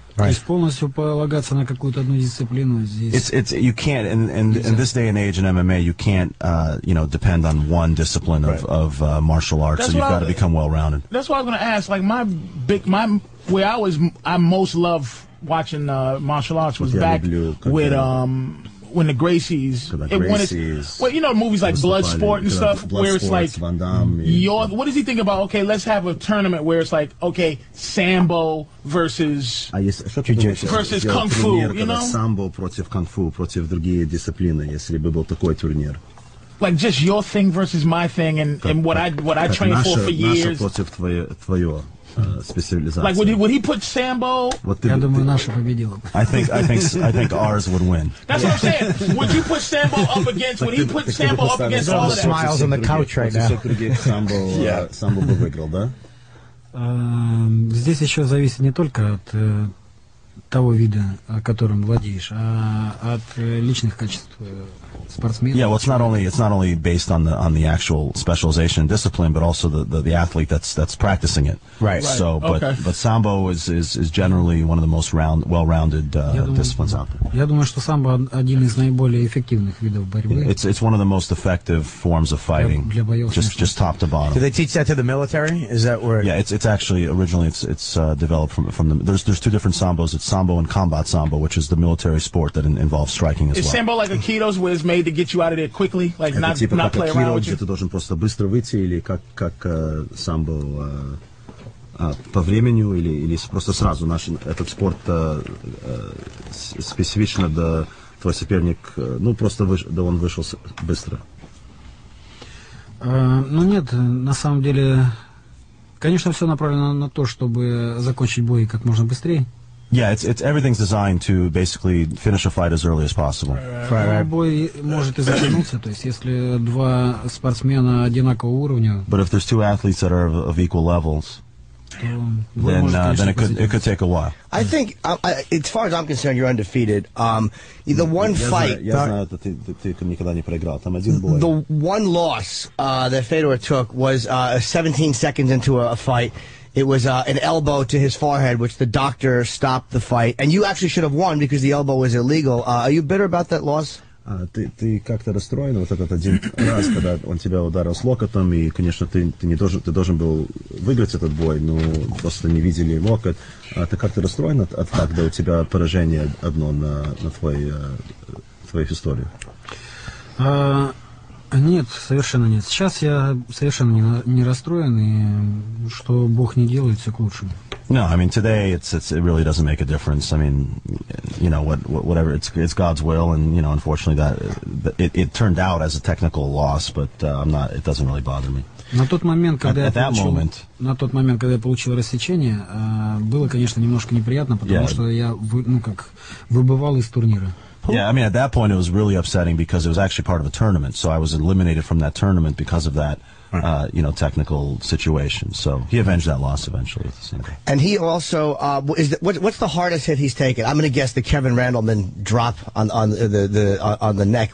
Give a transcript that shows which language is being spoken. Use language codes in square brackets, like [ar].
[en] Right. [ru] Полностью полагаться на какую-то одну дисциплину здесь. [en] It's you can't in this day and age in MMA you can't you know depend on one discipline of martial arts. That's so you've got to become well rounded. That's what I was going to ask. Like I most love watching martial arts was back with when the Gracies. You know, movies like Bloodsport and stuff, where it's like Van Damme, what does he think about, okay, let's have a tournament where it's like, okay, Sambo versus Kung Fu, you know? [ru] Sambo против Kung Fu, против другие дисциплины, если бы был такой турнир. [en] Like just your thing versus my thing and what I trained for years. [ru] Наша против твоего. [en] Like would he put Sambo? I think ours would win. That's what I'm saying. Would you put Sambo up against? Would he put Sambo up against all of that? Smiles on the couch right now. [ru] Sambo бы выиграл, да? Здесь еще зависит не только от того вида, которым владеешь, а от личных качеств. [en] Yeah, well, it's not only based on the actual specialization and discipline, but also the athlete that's practicing it. Right. So, but Sambo is generally one of the most well-rounded disciplines out there. [ru] Я думаю, что самбо один из наиболее эффективных видов борьбы. [en] It's one of the most effective forms of fighting. [ru] Для боев, [en] just top to bottom. Do they teach that to the military? Is that where? Yeah, it's actually originally it's developed from the there's two different sambos. It's sambo and combat sambo, which is the military sport that involves striking as well. Is sambo like Aikido's where it's made to get you out of there quickly, like not play around with you. [ru] Ты должен просто быстро выйти или как самбо по времени или просто сразу. Наш этот спорт специфично да твой соперник ну просто да он вышел быстро. Ну нет, на самом деле, конечно, все направлено на то, чтобы закончить бой как можно быстрее. [en] Yeah, it's everything's designed to basically finish a fight as early as possible. But if there's two athletes that are of equal levels, then it could take a while. I think, as far as I'm concerned, you're undefeated. The one fight... The one loss that Fedor took was 17 seconds into a fight. It was an elbow to his forehead, which the doctor stopped the fight. And you actually should have won because the elbow was illegal. Are you bitter about that loss? [ru] Ты как-то расстроен вот этот один раз, когда он тебя ударил с локотом, и, конечно, ты должен был выиграть этот бой, но просто не видели локоть. А ты как-то расстроен от того, когда у тебя поражение одно на твоей истории? Нет, совершенно нет. Сейчас я совершенно не расстроен, и что Бог не делает, все к лучшему. [en] No, I mean today it really doesn't make a difference. I mean, you know, whatever it's God's will, and you know, unfortunately it turned out as a technical loss, but it doesn't really bother me. [ru] На тот момент, когда я получил рассечение, было, конечно, немножко неприятно, потому что я выбывал из турнира. [en] Yeah, I mean, at that point it was really upsetting because it was actually part of a tournament, so I was eliminated from that tournament because of that, you know, technical situation. So he avenged that loss eventually. And he also, what's the hardest hit he's taken? I'm going to guess the Kevin Randleman drop on the neck.